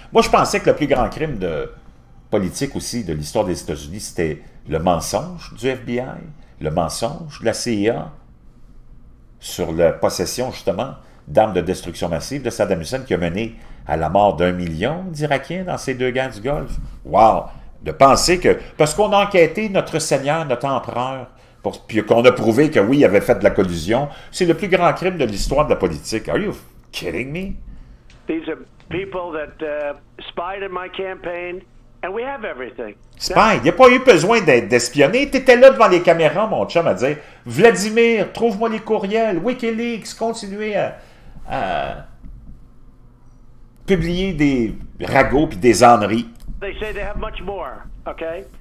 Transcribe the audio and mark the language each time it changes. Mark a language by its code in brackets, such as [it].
[fr] Moi, je pensais que le plus grand crime de politique aussi de l'histoire des États-Unis, c'était le mensonge du FBI, le mensonge de la CIA sur la possession, justement, d'armes de destruction massive de Saddam Hussein qui a mené à la mort d'un million d'Irakiens dans ces deux guerres du Golfe. Wow! De penser que, parce qu'on a enquêté notre Seigneur, notre empereur, puis qu'on a prouvé que oui, il avait fait de la collusion. C'est le plus grand crime de l'histoire de la politique. [en] Are you kidding me? These are people that spied in my campaign, and we have everything. [fr] Spy, il n'y a pas eu besoin d'espionner. Tu étais là devant les caméras, mon chum, à dire Vladimir, trouve-moi les courriels, WikiLeaks, continuez à publier des ragots puis des âneries. [en] They say they have much more, okay?